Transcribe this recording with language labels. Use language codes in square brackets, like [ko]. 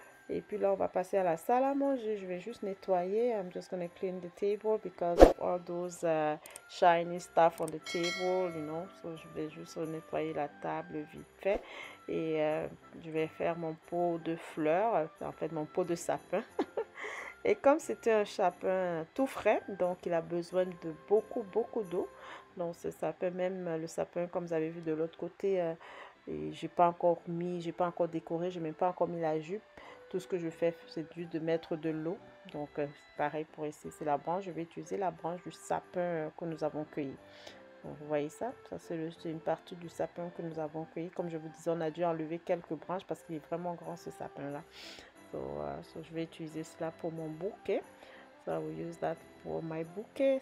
[fr] Et puis là, on va passer à la salle à manger. Je vais juste nettoyer. [en] I'm just gonna clean the table because of all those shiny stuff on the table, you know. [fr] So, je vais juste nettoyer la table vite fait. Et je vais faire mon pot de fleurs, en fait mon pot de sapin. Et comme c'était un sapin tout frais, donc il a besoin de beaucoup, beaucoup d'eau. Donc ce sapin, même le sapin, comme vous avez vu de l'autre côté, j'ai pas encore décoré, j'ai même pas encore mis la jupe. Tout ce que je fais, c'est juste de mettre de l'eau. Donc, pareil pour essayer. C'est la branche. Je vais utiliser la branche du sapin que nous avons cueilli. Donc, vous voyez ça? Ça, c'est une partie du sapin que nous avons cueilli. Comme je vous disais, on a dû enlever quelques branches parce qu'il est vraiment grand ce sapin-là. So, je vais utiliser cela pour mon bouquet. [en] So, I will use that for my bouquet.